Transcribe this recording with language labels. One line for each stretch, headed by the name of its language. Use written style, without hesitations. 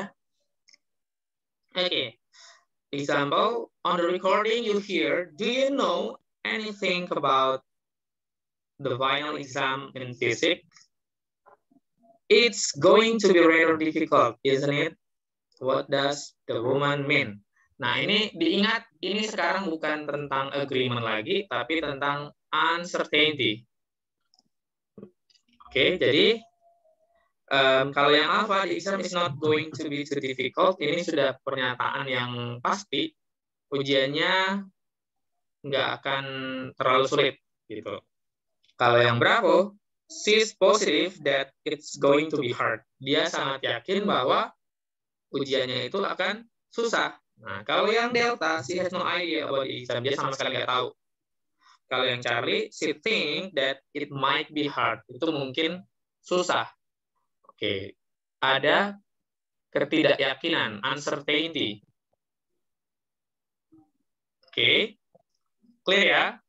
English: Yeah? Oke. Okay. Example, on the recording you hear, do you know anything about the final exam in physics? It's going to be rather difficult, isn't it? What does the woman mean?
Indonesian: Nah, ini diingat, ini sekarang bukan tentang agreement lagi, tapi tentang uncertainty. Oke, jadi, kalau yang apa,
English: the exam is not going to be too difficult,
Indonesian: ini sudah pernyataan yang pasti, ujiannya nggak akan terlalu sulit. Gitu. Kalau yang
English: Bravo, she's positive that it's going to be hard.
Indonesian: Dia sangat yakin bahwa ujiannya itu akan susah. Nah, kalau yang Delta,
English: she has no idea about the exam.
Indonesian: Dia sama sekali nggak tahu. Kalau yang
English: Charlie, she think that it might be hard.
Indonesian: Itu mungkin susah. Oke. Okay. Ada ketidakyakinan, uncertainty. Oke. Okay. Clear ya?